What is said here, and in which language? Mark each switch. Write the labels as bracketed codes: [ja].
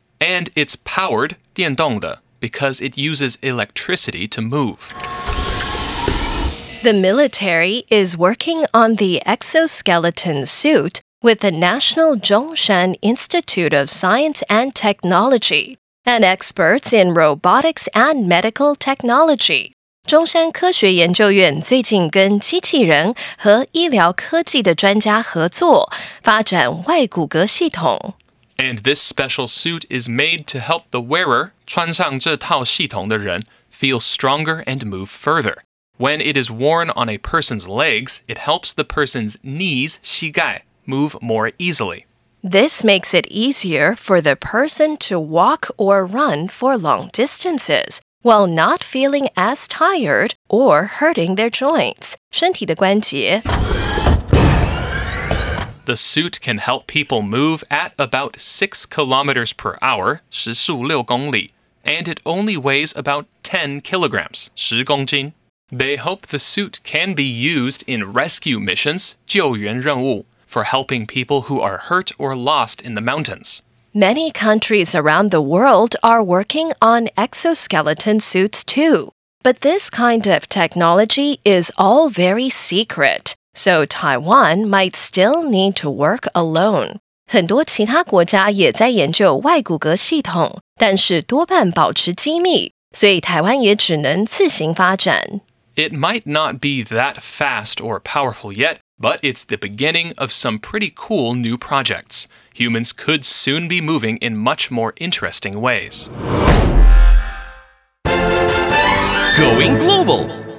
[en] And it's powered, 电动的, because it uses electricity to move. The military is working on the exoskeleton suit,with the National Chung-Shan Institute of Science and Technology, and experts in robotics and medical technology. [zh] 中山科学研究院最近跟机器人和医疗科技的专家合作，发展外骨骼系统。 [en] And this special suit is made to help the wearer, [zh] 穿上这套系统的人, [en] feel stronger and move further. When it is worn on a person's legs, it helps the person's knees, 膝盖,move more easily. This makes it easier for the person to walk or run for long distances, while not feeling as tired or hurting their joints. [zh] 身体的关节。 [en] The suit can help people move at about 6 kilometers per hour, [zh] 时速六公里, [en] and it only weighs about 10 kilograms, [zh] 十公斤。 [en] They hope the suit can be used in rescue missions, 救援任务。 For helping people who are hurt or lost in the mountains. Many countries around the world are working on exoskeleton suits too. But this kind of technology is all very secret, so Taiwan might still need to work alone. [zh] 很多其他国家也在研究外骨骼系统，但是多半保持机密，所以台湾也只能自行发展。 [en] It might not be that fast or powerful yet,But it's the beginning of some pretty cool new projects. Humans could soon be moving in much more interesting ways. Going global!